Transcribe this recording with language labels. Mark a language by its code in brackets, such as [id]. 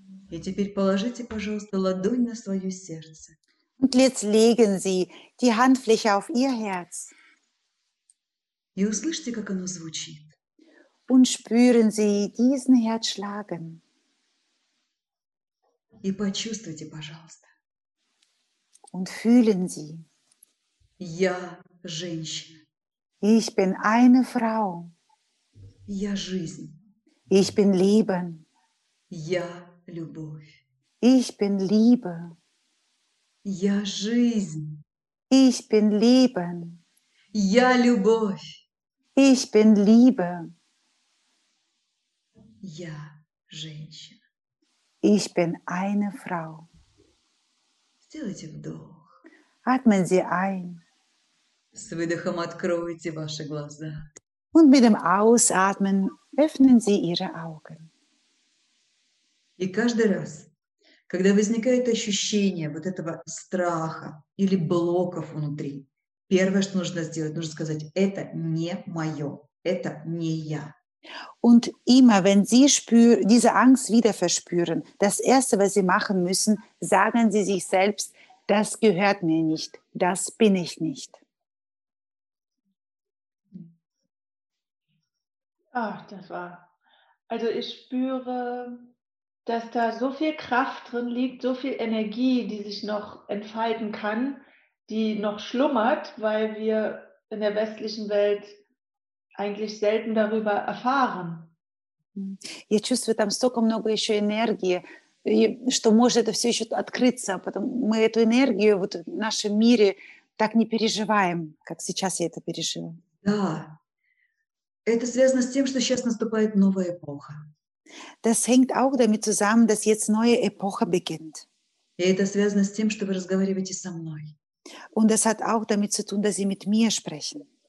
[ru] И теперь положите, пожалуйста, ладонь на свое сердце. [de] Und jetzt legen Sie die Handfläche auf Ihr Herz. [ru] И услышьте, как оно звучит. [de] Und spüren Sie diesen Herzschlagen. [ru] И почувствуйте, пожалуйста. [de] Und fühlen Sie. [ru] Я женщина. [de] Ich bin eine Frau. [ru] Я жизнь. [de] Ich bin Leben. [ru] Я Любовь. [de] Ich bin Liebe. [ru] Я жизнь. [de] Ich bin Leben. [ru] Я любовь. [de] Ich bin Liebe. [ru] Я женщина. [de] Ich bin eine Frau. [ru] Сделайте вдох. [de] Atmen Sie ein. [ru] С выдохом откройте ваши глаза. [de] Und mit dem Ausatmen öffnen Sie Ihre Augen. [ru] И каждый раз, когда возникает ощущение вот этого страха или блоков внутри, первое, что нужно сделать, нужно сказать: это не мое, это не я. [de] Und immer, wenn Sie diese Angst wieder verspüren, das Erste, was Sie machen müssen, sagen Sie sich selbst: das gehört mir nicht, das bin ich nicht. Ach, das war. Also ich spüre, dass da so viel Kraft drin liegt, so viel Energie, die sich noch entfalten kann, die noch schlummert, weil wir in der westlichen Welt eigentlich selten darüber erfahren. [ru] Я чувствую там столько много ещё энергии, что может это всё ещё открыться, потому мы эту энергию вот в нашем мире так не переживаем, как сейчас я это пережила. Да. Это связано с тем, что сейчас наступает новая эпоха. [de] Das hängt auch damit zusammen, dass jetzt neue Epoche beginnt. [ru] И это связано с тем, что вы разговариваете со мной. [de] Und das hat auch damit zu tun, dass Sie mit mir sprechen.